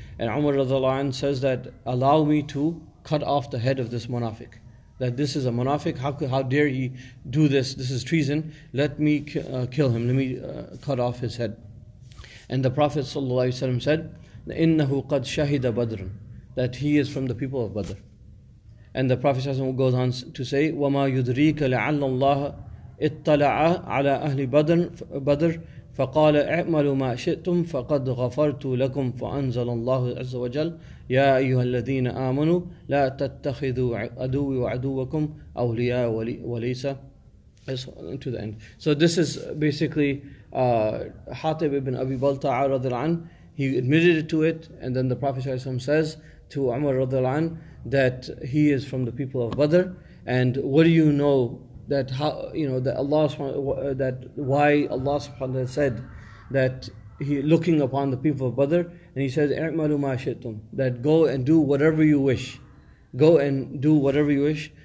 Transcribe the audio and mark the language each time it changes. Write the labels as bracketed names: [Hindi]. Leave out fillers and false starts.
[English] And Umar radhiallahu anhu says that, allow me to cut off the head of this munafiq. That this is a munafiq, how dare he do this? This is treason. Let me kill him. Let me cut off his head. And the Prophet ﷺ said, [Arabic] إِنَّهُ قَدْ شَهِدَ بَدْرٌ, [English] that he is from the people of Badr. And the Prophet ﷺ goes on to say, [Arabic] وَمَا يُدْرِيكَ لَعَلَّ اللَّهَ اِطَّلَعَ عَلَىٰ أَهْلِ بَدْرٍ فَقَالَ اِعْمَلُوا مَا شِئْتُمْ فَقَدْ غَفَرْتُ لَكُمْ فَأَنزَلَ اللَّهُ عَزَّ وَجَلَّ يا أيها الذين آمنوا لا تتخذوا عدوي وعدوكم أولياء وليس [English] to the end. So this is basically Hatib ibn Abi Balta'a radiallahu anh. He admitted to it, and then the Prophet says to Umar radiallahu anh that he is from the people of Badr. And what do you know that how you know that Allah that why Allah subhanahu wa ta'ala said that he looking upon the people of Badr, and he says [Arabic] "I'malu ma shi'tum," [English] that go and do whatever you wish, go and do whatever you wish.